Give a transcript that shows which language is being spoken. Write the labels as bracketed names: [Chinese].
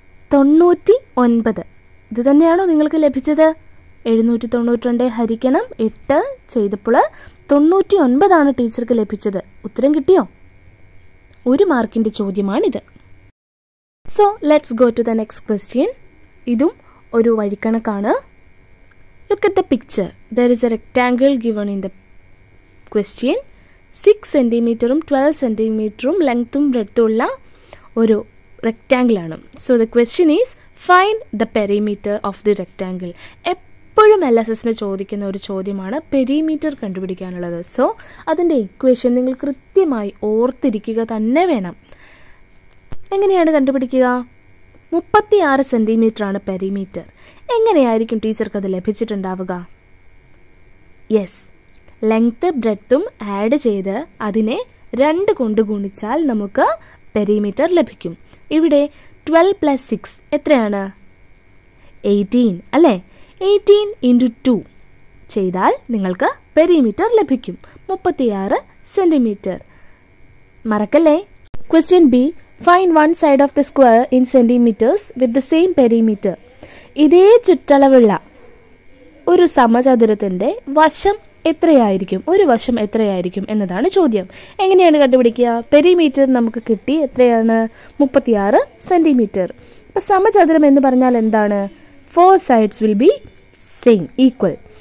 [Malayalam] 99 ഇത് തന്നെയാണോ നിങ്ങൾക്ക് ലഭിച്ചത് 792 ÷ 8 ചെയ്തപ്പോൾ 99 ടീച്ചർക്ക് ലഭിച്ചത് ഉത്തരം കിട്ടിയോ ഒരു മാർക്കിൻ്റെ ചോദ്യമാണിത് So let's go to the next question. [English] ഇതും ഒരു വഴിക്കണക്കാണ് Look at the picture. There is a rectangle given in the question. [Malayalam] 6 cm 12 cm length breadth ഒരു rectangle ആണ്. [English] So the question is find the perimeter of the rectangle. [Malayalam] എപ്പോഴും LSS നെ ചോദിക്കുന്ന ഒരു ചോദ്യമാണ് perimeter കണ്ടുപിടിക്കാനുള്ളത്. So അതിന്റെ ഇക്വേഷൻ നിങ്ങൾ കൃത്യമായി ഓർത്തിരിക്കുക തന്നെ വേണം. എങ്ങനെയാണ് കണ്ടുപിടിക്കുക? 36 cm ആണ് perimeter. എങ്ങനെയായിരിക്കും ടീച്ചർക്ക് അത് ലഭിച്ചിട്ടുണ്ടാവുക? Yes. Length breadthum add ചെയ്തു അതിനെ 2 കൊണ്ട് ഗുണിച്ചാൽ നമുക്ക് perimeter ലഭിക്കും. ഇവിടെ 12 plus 6 എത്രയാണ്? 18 അല്ലേ? 18 into 2 ചെയ്താൽ നിങ്ങൾക്ക് perimeter ലഭിക്കും. 36 cm. മറക്കല്ലേ? Question B. [English] Find one side of the square in centimeters with the same perimeter. [Malayalam] ഇതേ ചുറ്റളവുള്ള ഒരു സമചതുരത്തിന്റെ വശം എത്രയായിരിക്കും, ഒരു വശം എത്രയായിരിക്കും എന്നതാണ് ചോദ്യം. എങ്ങനെയാണ് കണ്ടുപിടിക്കുക? പെരിമീറ്റർ നമുക്ക് കിട്ടി എത്രയാണ്? 36 cm. അപ്പൊ സമചതുരം എന്ന് പറഞ്ഞാൽ എന്താണ്? [English] 4 sides will be same, equal.